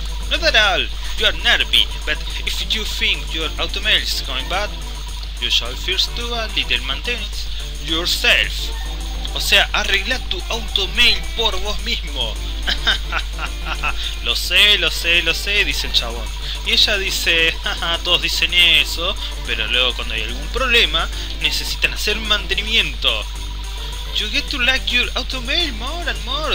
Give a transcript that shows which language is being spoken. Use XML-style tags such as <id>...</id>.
<en>Not at all, you are nervy, but if you think your automail is going bad, you shall first do a little maintenance yourself."</en> <es>O sea, arregla tu automail por vos mismo. Lo sé, dice el chabón. Y ella dice, todos dicen eso, pero luego cuando hay algún problema, necesitan hacer mantenimiento.</es> <en>You get to like your automail more and more.</en>